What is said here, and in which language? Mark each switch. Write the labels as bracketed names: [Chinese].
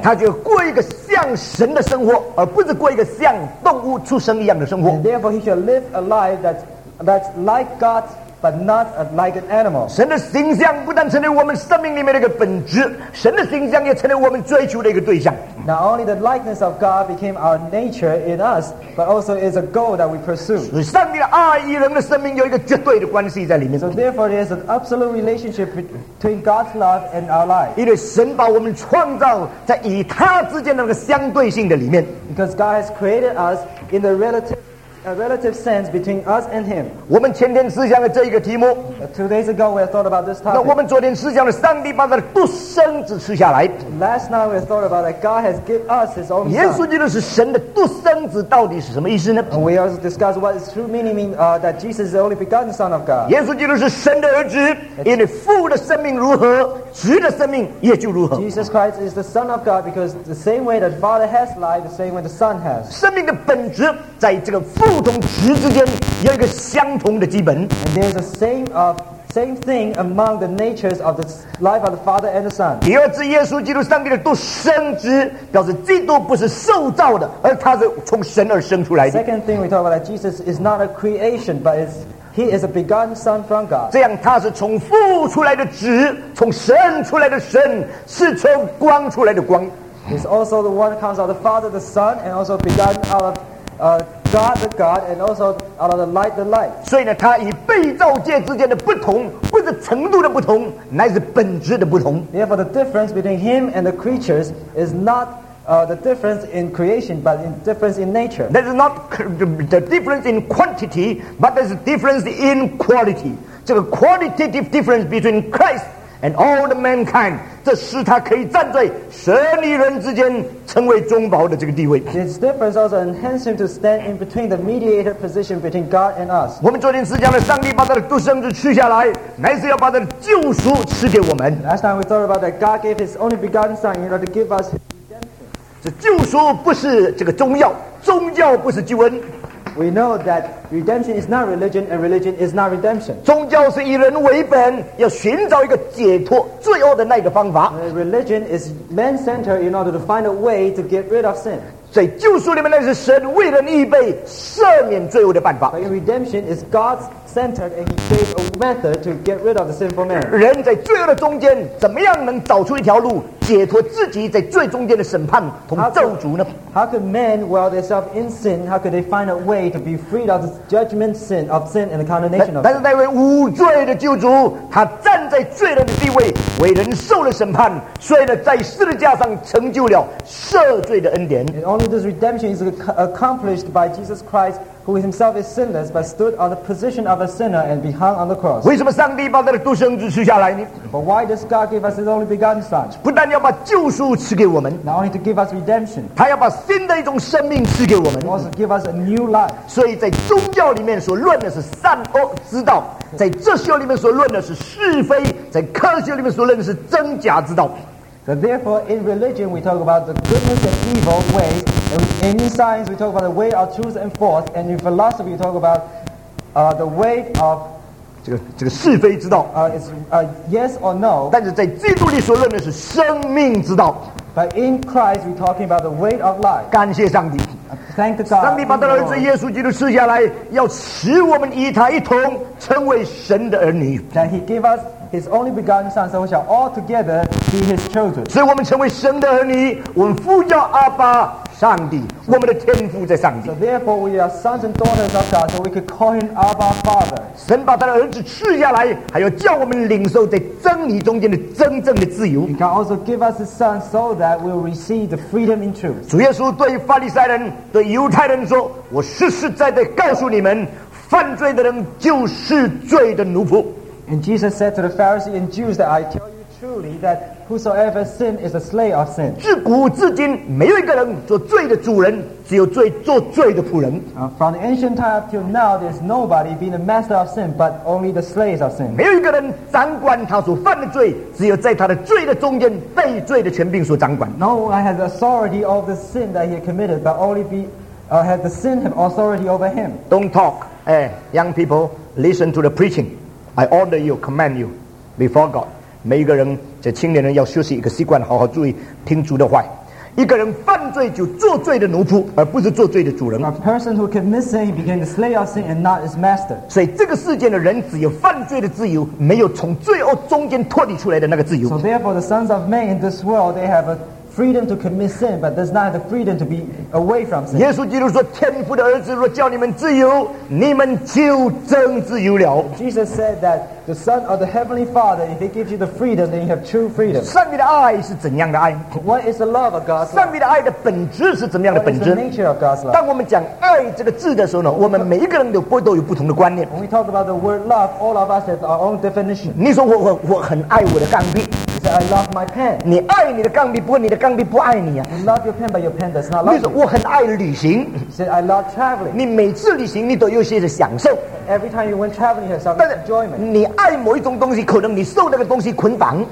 [Chinese] 他就过一个像神的生活，而不是过一个像动物出生一样的生活。 [English] And therefore, he shall live a life that's like God's. But not like an animal. [Chinese] 神的形象不但成为我们生命里面的一个本质，神的形象也成为我们追求的一个对象。 [English] Not only the likeness of God became our nature in us, but also is a goal that we pursue. [Chinese] 所以上帝的爱与人的生命有一个绝对的关系在里面。 [English] So therefore, there is an absolute relationship between God's love and our life. [Chinese] 因为神把我们创造在与他之间的那个相对性的里面。 [English] Because God has created us in the relative. A relative sense between us and him. [Chinese] 我们前天思想的这一个题目。 [English] Two days ago, we thought about this topic. [Chinese] 那我们昨天思想的，上帝把他的独生子赐下来。 [English] Last night, we thought about that God has given us His own. [Chinese] 耶稣基督是神的独生子，到底是什么意思呢 [English] ？We also discussed what is true meaning mean, that Jesus is the only begotten Son of God. [Chinese] 耶稣基督是神的儿子，因为父的生命如何，子的生命也就如何。 [English] Jesus Christ is the Son of God because the same way that Father has life, the same way the Son has. [Chinese] 生命的本质在这个父。不同质之间有一个相同的基本。 [English] And there's the same thing among the natures of the life of the Father and the Son. [Chinese] 第二次耶稣基督上帝的独生子，表示基督不是受造的，而他是从神而生出来的。 [English] Second thing we talk about that Jesus is not a creation, but is He is a begotten Son from God. [Chinese] 这样他是从父出来的子，从神出来的神，是从光出来的光。 [English] He's also the one that comes out of the Father, the Son, and also begotten out of God the God and also out of the light the light. [Chinese] 所以呢，他与被造界之间的不同，不是程度的不同，乃是本质的不同。 [English] Therefore, the difference between him and the creatures is not the difference in creation, but in difference in nature. That is not the difference in quantity, but there's a difference in quality. [Chinese] 这个 [English] qualitative difference between Christ and all the mankind. [Chinese] 这使他可以站在神与人之间成为中保的这个地位。 [English] His difference also enhances him to stand in between the mediator position between God and us. [Chinese] 我们昨天思想了，上帝把他的独生子取下来，乃是要把他的救赎赐给我们。 [English] Last time we thought about that God gave His only begotten Son in order to give us redemption. [Chinese] 这救赎不是这个宗教，宗教不是救恩。 [English] We know that redemption is not religion, and religion is not redemption. [Chinese] 宗教是以人为本，要寻找一个解脱罪恶的那个方法。 [English] Religion is man-centered in order to find a way to get rid of sin. [Chinese] 在救赎里面，那是神为人预备赦免罪恶的办法。 [English] But in redemption is God-centered, and He gave a method to get rid of the sinful man. [Chinese] 人在罪恶的中间，怎么样能找出一条路解脱自己在罪中间的审判同咒诅呢？ [English] How could men, while they self in sin, how could they find a way to be freed of the judgment sin of sin and the condemnation of sin? [Chinese] 但是那位无罪的救主，他站在罪人的地位，为人受了审判，所以呢，在十字架上成就了赦罪的恩典。 [English] And only this redemption is accomplished by Jesus Christ. Who himself is sinless, but stood on the position of a sinner and be hung on the cross. [Chinese] 为什么上帝把他的独生子赐下来呢？ [English] But why does God give us His only begotten Son? [Chinese] 不但要把救赎赐给我们， [English] not only to give us redemption, [Chinese] 他要把新的一种生命赐给我们， [English] also give us a new life. [Chinese] 所以在宗教里面所论的是善恶之道，在哲学里面所论的是是非，在科学里面所论的是真假之道。 [English] So therefore, in religion, we talk about the goodness and evil ways. In science, we talk about the way of truth and force. And in philosophy, we talk about the way of [Chinese] 这个是非之道。 [English] Yes or no. [Chinese] 但是在基督里所论的是生命之道。 [English] But in Christ, we're talking about the way of life. [Chinese] 感谢上帝。 [English] Thank the God. [Chinese] 上帝把他的儿子耶稣基督赐下来，要使我们与他一同成为神的儿女。 [English] That He gave us. His only begotten Son, so we shall all together be His children. [Chinese] 所以我们成为神的儿女，我们父叫阿爸，上帝，我们的天父在上帝。 [English] So therefore, we are sons and daughters of God, so we could call Him Abba, Father. [Chinese] 神把他的儿子赐下来，还要叫我们领受在真理中间的真正的自由。 [English] He can also give us His Son, so that we'll receive the freedom in truth. [Chinese] 主耶稣对法利赛人、对犹太人说：“我实实在在告诉你们，犯罪的人就是罪的奴仆。” [English] And Jesus said to the Pharisees and Jews that I tell you truly that whosoever sin is a slave of sin. [Chinese] 自古至今，没有一个人做罪的主人，只有罪做罪的仆人。 [English] From the ancient time up till now, there's nobody being the master of sin, but only the slaves of sin. [Chinese] 没有一个人掌管他所犯的罪，只有在他的罪的中间被罪的权柄所掌管。 [English] No one has authority over the sin that he committed, but only has the sin have authority over him. Don't talk, young people. Listen to the preaching. I order you, command you, before God. [Chinese] 每一个人，这青年人要学习一个习惯，好好注意听主的话。一个人犯罪就做罪的奴仆，而不是做罪的主人。 [English] A person who commits sin became the slave of sin and not his master. [Chinese] 所以这个世界的人只有犯罪的自由，没有从罪恶中间脱离出来的那个自由。 [English] So therefore, the sons of men in this world they have a freedom to commit sin, but does not have the freedom to be away from sin. [Chinese] 耶稣基督说：“天父的儿子若叫你们自由，你们就真自由了。” [English] Jesus said that the Son of the Heavenly Father, if He gives you the freedom, then you have true freedom. [Chinese] 上帝的爱是怎样的爱？ [English] What is the love of God? [Chinese] 上帝的爱的本质是怎么样的本质？ [English] What is the nature of God's love? [Chinese] 当我们讲爱这个字的时候呢，我们每一个人都有不同的观念。 [English] When we talk about the word love, all of us have our own definition. [Chinese] 你说我很爱我的钢笔。 [English] I love my pen. [Chinese] 你爱你的钢笔，不过你的钢笔不爱你啊。 [English] You love your pen, but your pen does not love you. [Chinese] 我很爱旅行。 [English] Said I love traveling. [Chinese] 你每次旅行，你都有些的享受。 [English] Every time you went traveling, you have some enjoyment. [Chinese] 你爱某一种东西，可能你受那个东西捆绑。